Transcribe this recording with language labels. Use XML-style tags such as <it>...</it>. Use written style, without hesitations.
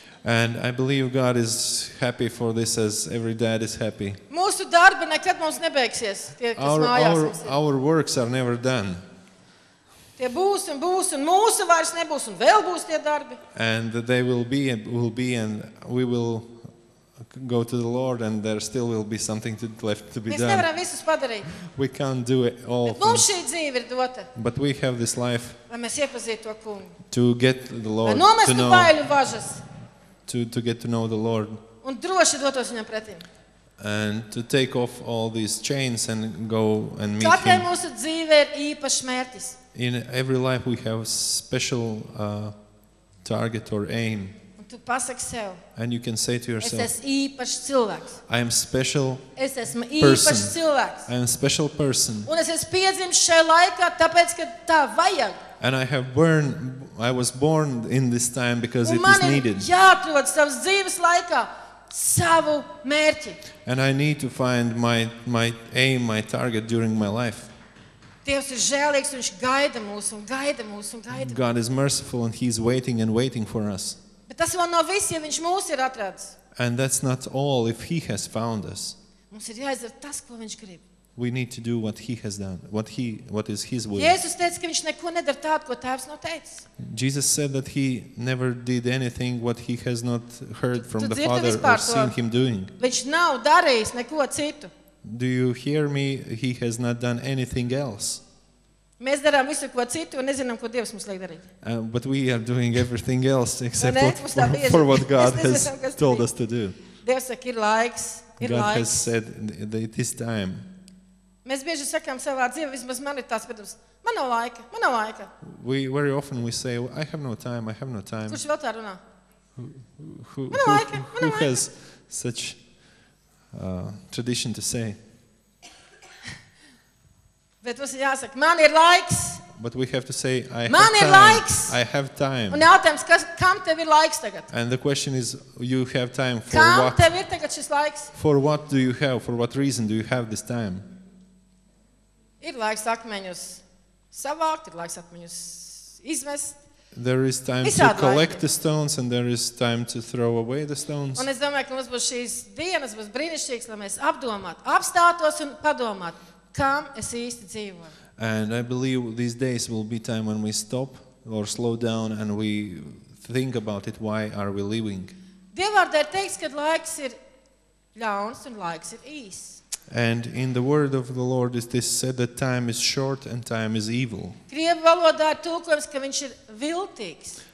<en>And I believe God is happy for this as every dad is happy.</en> <lv>Mūsu darbi nekad mums nebeigsies, tie, kas mājās mums ir.</lv> <en>Our works are never done.</en> <lv>Tie būs un būs un mūsu vairs nebūs un vēl būs tie darbi.</lv> <en>And they will be and we will go to the Lord and there still will be something to, left to be</en> <lv>Mēs</lv> <en>done.</en> <lv>Mēs nevaram visus padarīt.</lv> <en>We can't do it all.</en> <lv>Bet mums šī dzīve ir dota.</lv> <en>But we have this life.</en> <lv>Lai mēs iepazītu to kungu.</lv> <en>To get the Lord to know.</en> <lv>Lai nomestu bailu važas.</lv> <en>To get to know the Lord.</en> <lv>Un droši dotos viņam pretim.</lv> <en>And to take off all these chains and go and meet</en> <lv>Katrai</lv> <en>him.</en> <lv>Mūsu dzīve ir īpašs mērķis.</lv> <en>In every life we have special target or aim.</en> <lv>Tu pasaki sev.</lv> <en>And you can say to yourself.</en> <lv>Es esmu īpašs cilvēks.</lv> <en>I am special.</en> <lv>Es esmu īpašs cilvēks.</lv> <en>I am special person.</en> <lv>Un es esmu piedzimis šajā laikā, tāpēc ka tā vajag.</lv> <en>And I was born in this time because it is needed.</en> <lv>Un man ir jāatrod savas dzīves laikā savu mērķi.</lv> <en>And I need to find my aim, my target during my life.</en> <lv>Dievs ir žēlīgs, viņš gaida mūs un gaida mūs un gaida.</lv> <en>God is merciful and he's waiting and waiting for us.</en> <lv>Bet tas vēl nav viss, ja viņš mūs ir atradis.</lv> <en>And that's not all if he has found us.</en> <lv>Mums ir jāizdara tas, ko viņš grib.</lv> <en>We need to do what he has done, what is his will.</en> <lv>Jēzus teica, ka viņš neko nedara tādu, ko tēvs nav teicis.</lv> <en>Jesus said that he never did anything what he has not heard from the Father or seen him doing.</en> <lv>Viņš nav darījis neko citu.</lv> <en>Do you hear me? He has not done anything else.</en> <lv>Mēs darām visu ko citu un nezinām, ko Dievs mums liek darīt.</lv> <en>But we are doing everything else except for what God has told us to do.</en> <lv>Dievs saka, ir laiks, ir</lv> <en>God</en> <lv>laiks.</lv> <en>God has said that it is time.</en> <lv>Mēs bieži sakām savā dzīvē, vismaz man ir tās pēdējās, man nav laika, man nav laika.</lv> <en>We very often we say, I have no time, I have no time.</en> <lv>Kurš vēl tā runā? Man nav laika, man nav laika.</lv> <en>Who has such tradition to say?</en> <lv>Bet mums ir jāsaka, man ir laiks.</lv> <en>But we have to say, I</en> <lv>man</lv> <en>have</en> <lv>ir</lv> <en>time.</en> <lv>Laiks.</lv> <en>I have time.</en> <lv>Un jautājums, kas, kam tev ir laiks tagad?</lv> <en>And the question is, you have time for</en> <lv>kam</lv> <en>what?</en> <lv>Kam tev ir tagad šis laiks?</lv> <en>For what do you have? For what reason do you have this time?</en> <lv>Ir laiks akmeņus savākt, ir laiks akmeņus izmest.</lv> <en>There is time</en> <lv>Visādi</lv> <en>to collect</en> <lv>laiki.</lv> <en>The stones and there is time to throw away the stones.</en> <lv>Un es domāju, ka mums būs šīs dienas, būs brīnišķīgs, lai mēs apdomātu, apstātos un padomātu. Kam es īsti dzīvoju?</lv> <en>And I believe these days will be time when we stop or slow down and we think about it, why are we living?</en> <lv>Dievvārdā ir teiks, ka laiks ir ļauns un laiks ir īss.</lv> <en>And in the word of the Lord is this said that time is short and time is evil.</en> <lv>Krievu valodā ir tulkojums, ka viņš ir viltīgs.</lv>